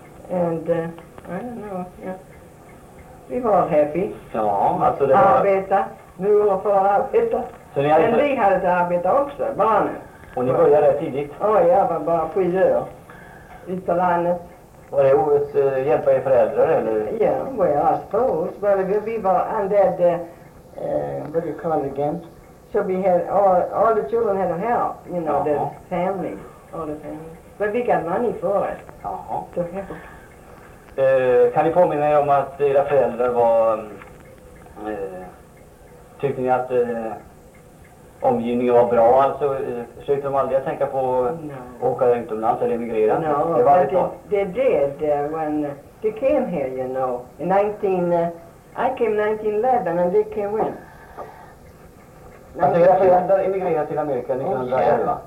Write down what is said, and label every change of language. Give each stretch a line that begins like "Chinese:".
English: And I don't know, yeah. We were all happy.
Swedish: Ja, alltså det var... Arbeta, nu och få arbeta. Så ni hade... Men vi hade att arbeta också, barnen. Och ni började tidigt? Ja, jag var bara 7 år. Ute på landet. Var det att hjälpa er föräldrar eller?
English: Yeah, well, I suppose. But we were under the, what do you call it again? So we had, all the children had to help, you know, the family. All the family. But we got money for it.
Swedish: Kan ni påminna er om att era föräldrar var, tyckte ni att omgivningen var bra, alltså försökte de aldrig tänka på att åka utomlands eller emigrera?
English: No, they did when they came here, you know, in 1911 and they came in.
Swedish: Alltså era föräldrar emigrerade till Amerika 1911?